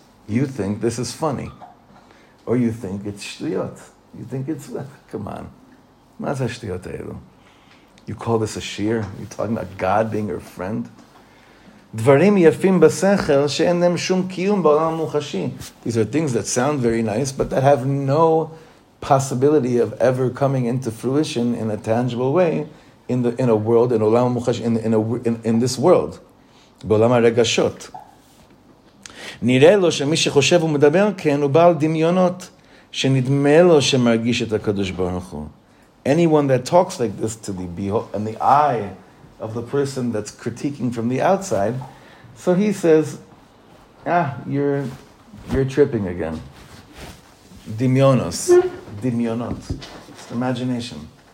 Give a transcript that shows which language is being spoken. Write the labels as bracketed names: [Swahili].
[English] You think this is funny. Or you think it's שטויות. You think it's, come on. [Hebrew] מה זה השטויות האלו? [English] You call this a shir? You're talking about God being your friend? [Hebrew] דברים יפים בשכל שאין להם שום קיום בעולם המוחשי. [English] These are things that sound very nice, but that have no possibility of ever coming into fruition in a tangible way in this world. [Hebrew] בעולם הרגשות. נראה לו שמי שחושב ומדבר כן הוא בעל דמיונות שנדמה לו שמרגיש את הקדוש ברוך הוא. [English] Anyone that talks like this to the in the eye of the person that's critiquing from the outside, so he says, "Ah, you're tripping again. Dimyonos, dimyonot, just imagination."